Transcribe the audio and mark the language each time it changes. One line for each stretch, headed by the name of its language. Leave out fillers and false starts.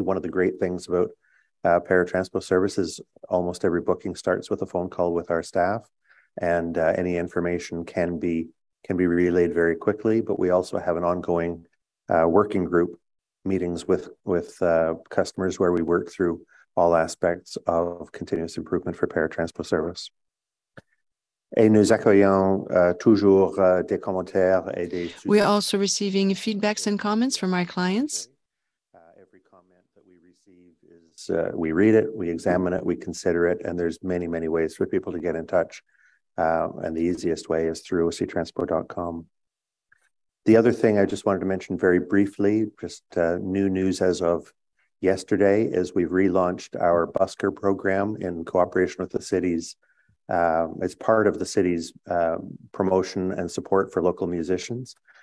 English: One of the great things about paratranspo service is almost every booking starts with a phone call with our staff, and any information can be relayed very quickly. But we also have an ongoing working group meetings with customers where we work through all aspects of continuous improvement for paratranspo service.
French: Et nous accueillons toujours des commentaires et des sujets.
English: We are also receiving feedbacks and comments from our clients. Every comment that we receive is we read it, we examine it, we consider it, and there's many, many ways for people to get in touch. And the easiest way is through octransport.com. The other thing I just wanted to mention very briefly, just new news as of yesterday, is we've relaunched our busker program in cooperation with the city's it's part of the city's promotion and support for local musicians.